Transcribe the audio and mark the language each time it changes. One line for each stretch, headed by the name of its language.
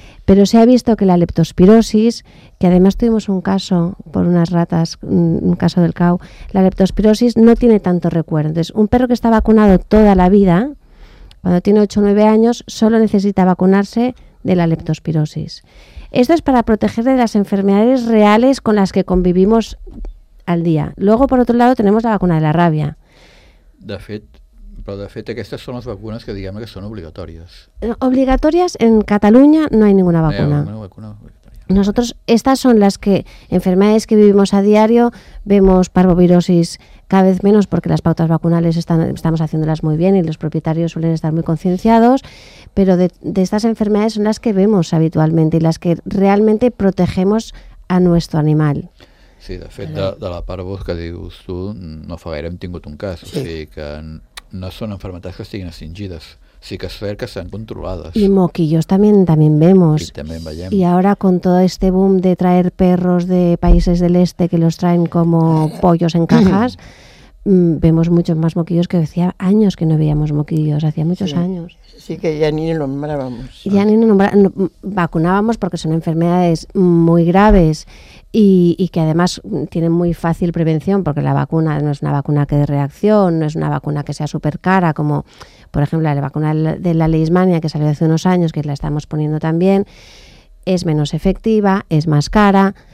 Spanish: Pero se ha visto que la leptospirosis, que además tuvimos un caso por unas ratas, un caso del CAU, la leptospirosis no tiene tanto recuerdo. Entonces, un perro que está vacunado toda la vida, cuando tiene 8 o 9 años, solo necesita vacunarse de la leptospirosis. Esto es para proteger de las enfermedades reales con las que convivimos al día. Luego, por otro lado, tenemos la vacuna de la rabia.
Catalan: De fet, però de fet aquestes són les vacunes que diguem que són obligatòries. Obligatòries
Spanish: en Catalunya no hay ninguna vacuna. No hay ninguna vacuna obligatoria. Nosotros, estas son las que enfermedades que vivimos a diario, vemos parvovirosis cada vez menos porque las pautas vacunales estamos haciéndolas muy bien y los propietarios suelen estar muy concienciados, pero de estas enfermedades son las que vemos habitualmente y las que realmente protegemos a nuestro animal.
Catalan: Sí, de fet, de la parvo que dius tu, no fa gaire hem tingut un cas, sí. O sigui que no són enfermedades que estiguin extingides, sí que és cert que estan controlades.
Spanish: I moquillos també vemos.
Catalan: I també veiem.
Spanish: I ara, con todo este boom de traer perros de países del este que los traen como pollos en cajas, vemos muchos más moquillos que hacía años que no veíamos moquillos, hacía muchos años. Sí, que ya ni lo nombrábamos. Ya ni lo nombrábamos, vacunábamos porque son enfermedades muy graves y que además tienen muy fácil prevención porque la vacuna no es una vacuna que dé reacción, no es una vacuna que sea súper cara como, por ejemplo, la vacuna de la leishmania que salió hace unos años, que la estamos poniendo también, es menos efectiva, es más cara.